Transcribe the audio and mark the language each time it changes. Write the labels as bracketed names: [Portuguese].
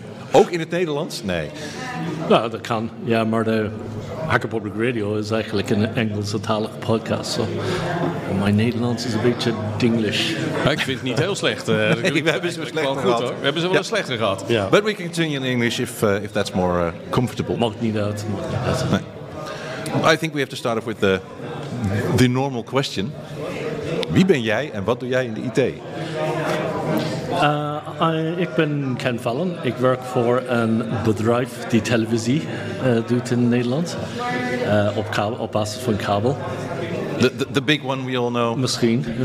[Dutch] Ook in het Nederlands? Nee. Nou, dat kan. Ja, maar de Hacker Public Radio is eigenlijk een Engelse talige podcast. [English] So. [Dutch] Mijn Nederlands is een beetje Dinglish. Ik vind het niet heel slecht. We hebben ze wel slechter gehad. Yeah. [English] But we can continue in English if that's more comfortable. [Dutch] Mag niet uit. Nee. [English] I think we have to start off with the normal question. [Dutch] Wie ben jij en wat doe jij in de IT? Ik ben Ken Fallon. Ik werk voor een bedrijf die televisie doet in Nederland. Op basis van kabel. [English] The big one we all know. [Dutch] Misschien.